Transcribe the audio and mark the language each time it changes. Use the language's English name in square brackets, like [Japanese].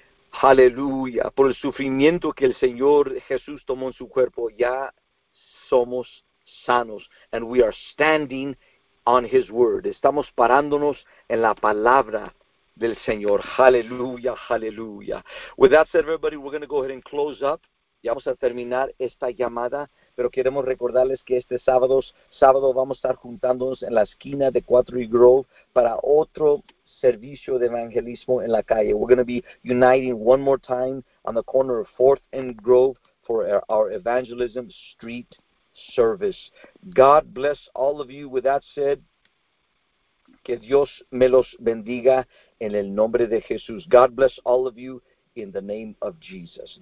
[Spanish] Hallelujah. Por el sufrimiento que el Señor Jesús tomó en su cuerpo, ya somos sanos, [English] and we are standing on His word. [Spanish] Estamos parándonos en la palabra del Señor. Hallelujah, hallelujah. [English] With that said, everybody, we're going to go ahead and close up. [Spanish] Ya vamos a terminar esta llamada, pero queremos recordarles que este sábado vamos a estar juntándonos en la esquina de 4 y Grove para otro servicio de evangelismo en la calle. [English] We're going to be uniting one more time on the corner of 4th and Grove for our evangelism street service. God bless all of you. With that said, [Spanish] que Dios me los bendiga en el nombre de Jesús. [English] God bless all of you in the name of Jesus.